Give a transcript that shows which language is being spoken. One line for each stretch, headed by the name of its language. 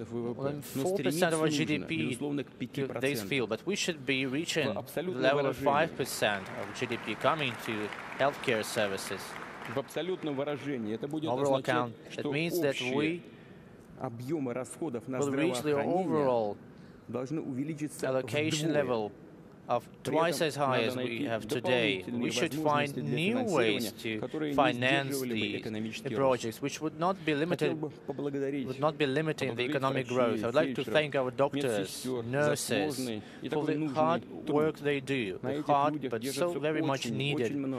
English: of our GDP in this field, but we should be reaching the level of 5% of GDP coming to healthcare services.
Russian: В абсолютном выражении это будет означать, что общие объемы расходов на здравоохранение должны увеличиться вдвое.
English: Of twice as high as we have today, we should find new ways to finance the projects, which would not be limited, would not be limiting the economic growth. I would like to thank our doctors, nurses, for the hard work they do, the hard but so very much needed.